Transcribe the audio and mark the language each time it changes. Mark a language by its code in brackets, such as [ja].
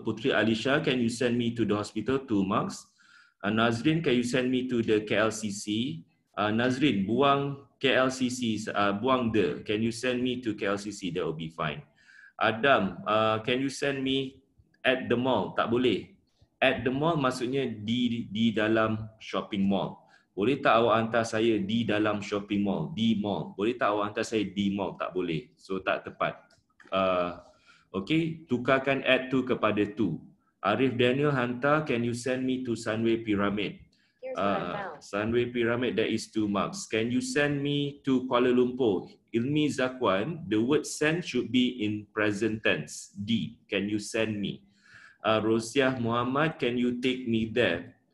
[en] Putri Alisha, can you send me to the hospital? 2 marks. Nazrin, can you send me to the KLCC? [ms] Nazrin, buang KLCC. Buang the. [en] Can you send me to KLCC? That will be fine. Adam, can you send me at the mall? [ms] Tak boleh. [en] At the mall [ms] maksudnya di dalam shopping mall. Boleh tak awak hantar saya di dalam shopping mall? Di mall. Boleh tak awak hantar saya di mall? Tak boleh. So, tak tepat. Okay. Tukarkan at to kepada to. [en] Arif Daniel hantar, can you send me to Sunway Pyramid? Here's what I found. Sunway Pyramid, that is 2 marks. Can you send me to Kuala Lumpur? Ilmi Zakwan, the word send should be in present tense. D, can you send me? Rosiah Muhammad, can you take me there?